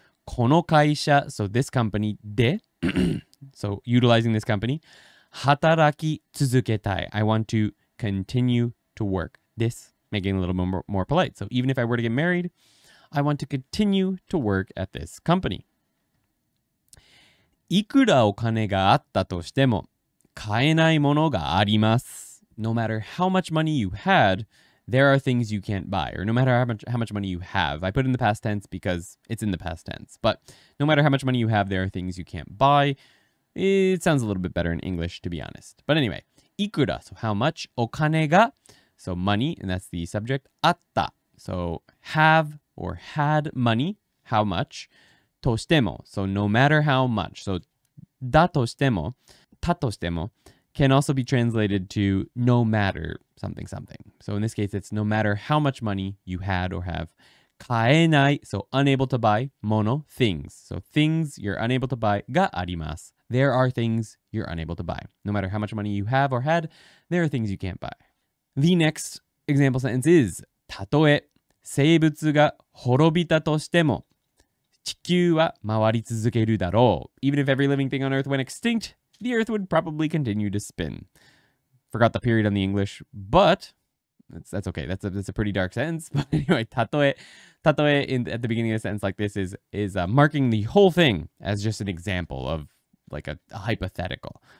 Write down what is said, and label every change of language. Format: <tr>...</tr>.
<ja>この会社、</ja> <en>so this company で、so utilizing this company,</en> <ja>働き続けたい。</ja> <en>I want to continue to work. This, making it a little more polite. So even if I were to get married, I want to continue to work at this company.</en> <ja>いくらお金があったとしても、買えないものがあります。</ja> <en>No matter how much money you had, there are things you can't buy. Or no matter how much money you have. I put in the past tense because it's in the past tense. But no matter how much money you have, there are things you can't buy. It sounds a little bit better in English, to be honest. But anyway, いくら、so how much,</en> <ja>お金が、</ja> <en>so money, and that's the subject,</en> <ja>あった、</ja> <en>so have or had money, how much,としても、so no matter how much. So, だとしても、たとしても、can also be translated to no matter something something. So in this case, it's no matter how much money you had or have.</en> <ja>買えない、</ja> <en>so unable to buy, もの、things. So things you're unable to buy</en> <ja>があります。</ja> <en>There are things you're unable to buy. No matter how much money you have or had, there are things you can't buy. The next example sentence is,</en> <ja>たとえ生物が滅びたとしても、地球は回り続けるだろう。</ja> <en>Even if every living thing on Earth went extinct, the Earth would probably continue to spin. Forgot the period on the English, but that's okay. That's a pretty dark sentence. But anyway, たとえ at the beginning of a sentence like this is marking the whole thing as just an example of like a hypothetical.</en>